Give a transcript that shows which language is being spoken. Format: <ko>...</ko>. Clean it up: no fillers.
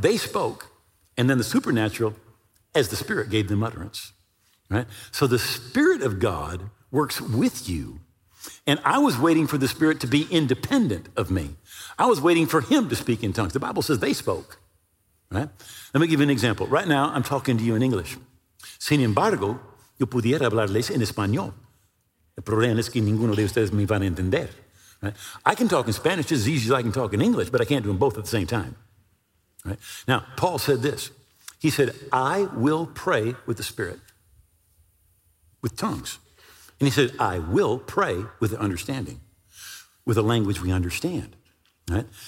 <en>They spoke and then the supernatural as the Spirit gave them utterance, right? So the Spirit of God works with you. And I was waiting for the Spirit to be independent of me. I was waiting for him to speak in tongues. The Bible says they spoke, right? Let me give you an example. Right now, I'm talking to you in English.</en> <es>Sin embargo, yo pudiera hablarles en español. El problema es que ninguno de ustedes me van a entender.</es> <en>Right? I can talk in Spanish just as easy as I can talk in English, but I can't do them both at the same time. Right? Now, Paul said this. He said, I will pray with the Spirit, with tongues. And he said, I will pray with the understanding, with a language we understand. Right?</en>